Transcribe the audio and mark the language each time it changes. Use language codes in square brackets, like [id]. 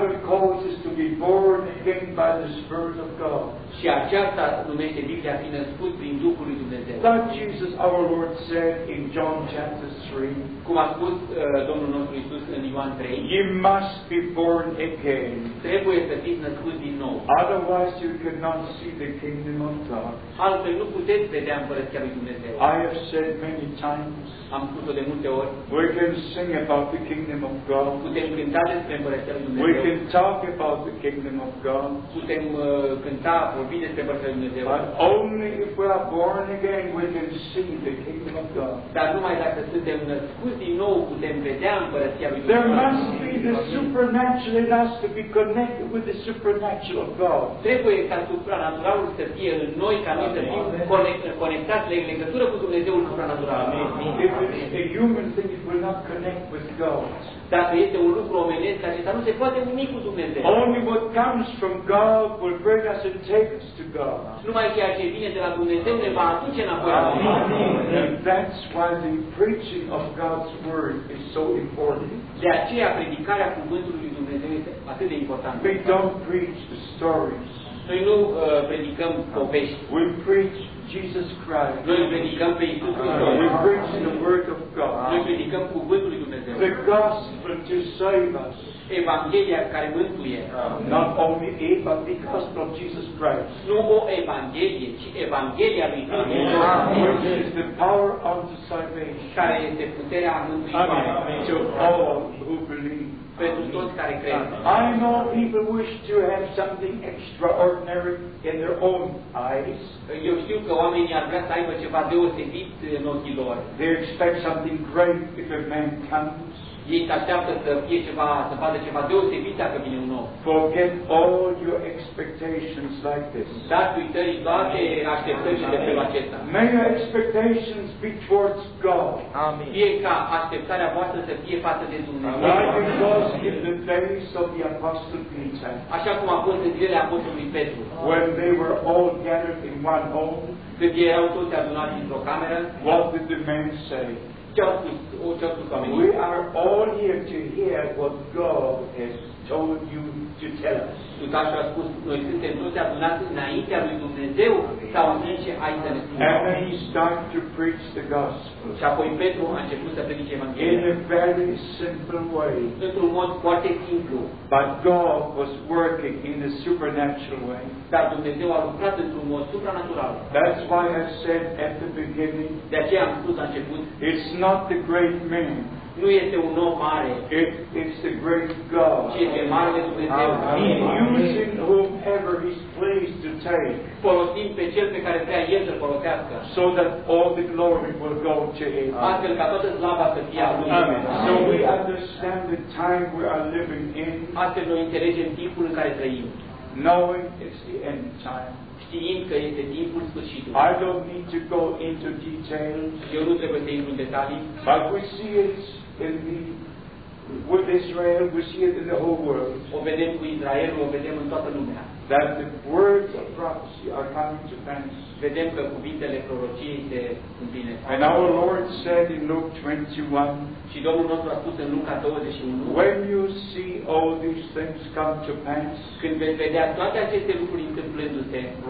[en] Calls us to be born again by the Spirit of God. [ro] Și aceasta numește Biblia fi născut prin Duhul lui Dumnezeu. [en] That Jesus our Lord said in John chapter 3. [ro] Cum a spus Domnul nostru Iisus în Ioan 3. [en] You must be born again. [ro] Trebuie să fiți născut din nou. [en] Otherwise you cannot see the kingdom of God. [ro] Altfel nu puteți vedea împărăția lui Dumnezeu. [en] I have said many times. [ro] Am spus-o de multe ori. [en] We can sing about the kingdom of God. [ro] Putem cânta despre împărăția lui Dumnezeu. [en] We can talk about the kingdom of God. [ro] Putem cânta, vorbi despre împărăția lui Dumnezeu. [en] But only if we are born again we can see the kingdom of God. [ro] Dar numai dacă suntem născuți din nou putem vedea împărăția lui Dumnezeu. [en] There must be the supernatural in us to be connected with the supernatural of God. [ro] Trebuie ca supranaturalul să fie în noi, ca noi să fim conectați la legătură cu Dumnezeul supranatural. [en] Amen. If it is a human thing, it will not connect with God. [ro] Dacă este un lucru omenesc, acesta nu se poate nimic cu Dumnezeu. [en] Only what comes from God will bring us and take us to God. [ro] Numai ceea ce vine de la Dumnezeu ne va aduce înapoi la Dumnezeu. [en] That's why the preaching of God's word is so important. [ro] De aceea predicarea cuvântului lui Dumnezeu este atât de importantă. [en] We don't preach the stories. [ro] Noi nu predicăm povești. [en] We preach Jesus Christ. [ro] Noi predicăm pe Iisus Hristos. [en] We preach the word of God. [ro] Noi predicăm cuvântul lui Dumnezeu. [en] The gospel to save us. [ro] Evanghelia care mântuie. [en] Not only it, but the gospel of Jesus Christ. [ro] Nu o evanghelie, ci evanghelia lui Dumnezeu. [en] Which is the power of the salvation. [ro] Care este puterea mântuirii. [en] To all who believe. I know people wish to have something extraordinary in their own eyes. [ro] Eu știu că oamenii ar vrea să aibă ceva deosebit în ochii lor. [en] They expect something great if a man comes. [ro] Ei așteaptă să fie ceva, să vadă ceva deosebit dacă vine un om. [en] Forget all your expectations like this. [ro] Dați uitării toate așteptările de felul acesta. [en] May your expectations be towards God. [ro] Amin. Fie ca așteptarea voastră să fie față de Dumnezeu. [en] Like it was in the days of the Apostle Peter. [ro] Așa cum a fost în zilele Apostolului Petru. [en] When they were all gathered in one home. [ro] Când ei erau toți adunați într-o cameră. [en] What did the men say? We are all here to hear what God has told you to tell us. [ro] Dumnezeu a spus, noi suntem toți adunați înaintea lui Dumnezeu să auzim ce ai să ne spui. [en] And he started to preach the gospel. [ro] Și apoi Petru a început să predice Evanghelia. [en] In a very simple way. [ro] Într-un mod foarte simplu. [en] But God was working in a supernatural way. [ro] Dar Dumnezeu a lucrat într-un mod supranatural. [en] That's why I said at the beginning. [ro] De aceea am spus la început. [en] It's not the great man. [ro] Nu este un om mare. [en] It's the great God. [ro] Ci este marele Dumnezeu. [en] Using whomever he's pleased to take. [ro] Folosind pe cel pe care vrea el să-l folosească. [en] So that all the glory will go to him. [ro] Astfel ca toată slava să fie a lui. [en] Amen. So we understand the time we are living in. [ro] Astfel noi înțelegem timpul în care trăim. [en] Knowing it's the end time. [ro] Știind că este timpul sfârșitului. [en] I don't need to go into details. [ro] Eu nu trebuie să intru în detalii. [en] But we see it in the with Israel, we see it in the whole world. [ro] O vedem cu Israel, o vedem în toată lumea. [en] That the words of prophecy are coming to pass. [ro] Vedem că cuvintele prorociei se împlinesc. [en] And our Lord said in Luke 21. [ro] Și Domnul nostru a spus în Luca 21. [en] When you see all these things come to pass. [ro] Când veți vedea toate aceste lucruri întâmplându-se.